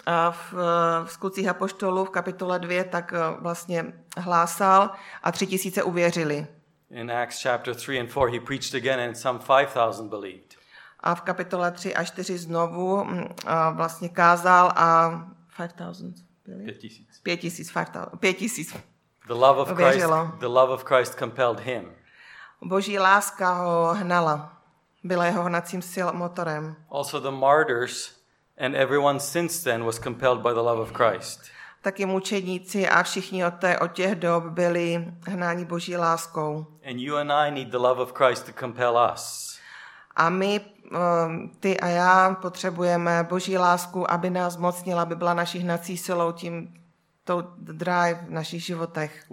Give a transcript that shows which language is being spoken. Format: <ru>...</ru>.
<cs>V Skutcích apoštolů v kapitole 2 tak vlastně hlásal a 3000 uvěřili.</cs> <en>In Acts chapter 3 and 4 he preached again and some 5000 believed.</en> <cs>a v kapitole 3 a 4 znovu vlastně kázal a 5000.</cs> <en>The love of Christ, věřilo. The love of Christ compelled him.</en> <cs>Boží láska ho hnala. Byla jeho hnacím motorem.</cs> <en>Also the martyrs and everyone since then was compelled by the love of Christ.</en> <cs>Taky mučedníci a všichni od těch dob byli hnáni Boží láskou.</cs> <en>And you and I need the love of Christ to compel us.</en> <cs>A my, ty a já, potřebujeme Boží lásku, aby nás zmocnila, aby byla naší hnací silou, tou drive v našich životech.</cs>